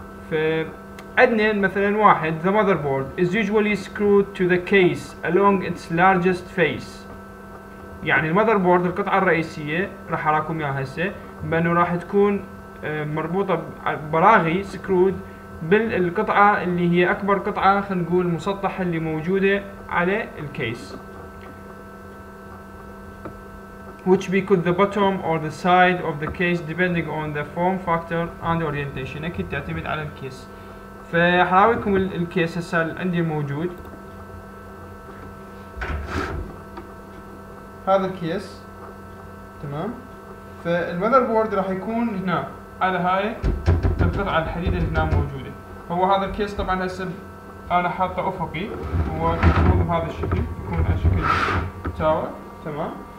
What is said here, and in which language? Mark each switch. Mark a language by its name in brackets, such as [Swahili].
[Arabic] فعندنا مثلا واحد [English] the motherboard is usually screwed to the case along its largest face، [Arabic] يعني المذربورد القطعة الرئيسية راح أراكم إياها هسه بأنه راح تكون مربوطة براغي سكرود بالقطعة اللي هي أكبر قطعة، خلينا نقول مسطحة اللي موجودة على الكيس. [English] Which be could the bottom or the side of the case depending on the form factor and orientation، [Arabic] أكيد تعتمد على الكيس. فحراويكم الكيس هسه عندي موجود، هذا الكيس تمام. فالمذر بورد راح يكون هنا على هاي القطعه الحديده اللي هنا موجوده. هو هذا الكيس طبعا هسه انا حاطه افقي، هو يكون بهذا الشكل، يكون على شكل تاور تمام.